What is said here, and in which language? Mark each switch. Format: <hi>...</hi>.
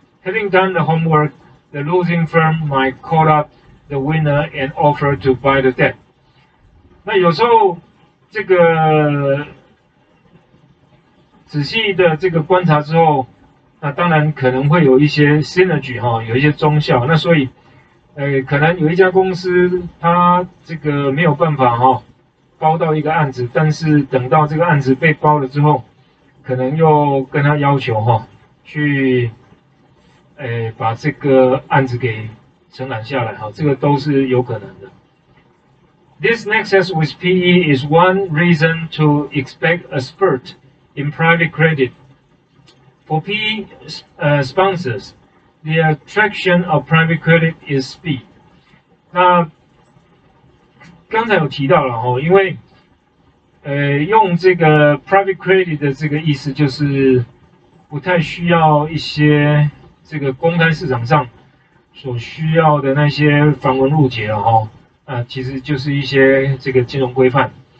<en>Having done the homework, the losing firm might call up the winner and offer to buy the debt.</en> <zh>那有时候这个仔细的这个观察之后，那当然可能会有一些 synergy 哈，有一些中效。那所以，可能有一家公司它这个没有办法哈，包到一个案子，但是等到这个案子被包了之后，可能又跟他要求哈，去，把这个案子给承揽下来哈，这个都是有可能的。</zh> <en>This nexus with PE is one reason to expect a spurt in private credit. For PE sponsors, the attraction of private credit is speed.</en> <zh>那刚才有提到了，因为用这个 private credit 的这个意思就是不太需要一些这个公开市场上所需要的那些繁文缛节了，其实就是一些这个金融规范。</zh>